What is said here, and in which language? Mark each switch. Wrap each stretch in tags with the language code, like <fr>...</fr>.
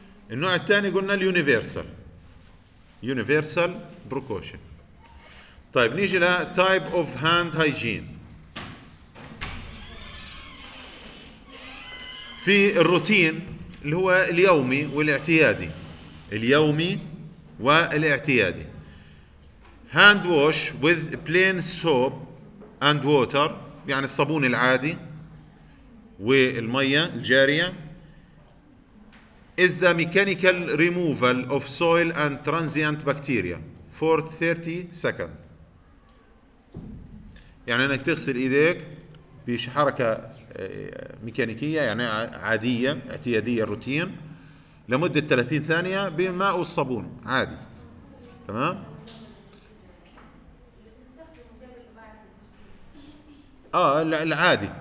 <ar>النوع الثاني قلنا اليونيفرسال، يونيفرسال بروكوشن. طيب نيجي لتايب أوف هاند هايجين، في الروتين اللي هو اليومي والاعتيادي، اليومي والاعتيادي.</ar> <en>Hand wash with plain soap and water</en> <ar>يعني الصابون العادي والمية الجارية.</ar> <en>is the mechanical removal of soil and transient bacteria for 30 seconds.</en> <ar>يعني انك تغسل ايديك بش حركة ميكانيكية يعني عادية اعتيادية روتين لمدة 30 ثانية بالماء والصابون عادي. تمام؟ العادي.</ar>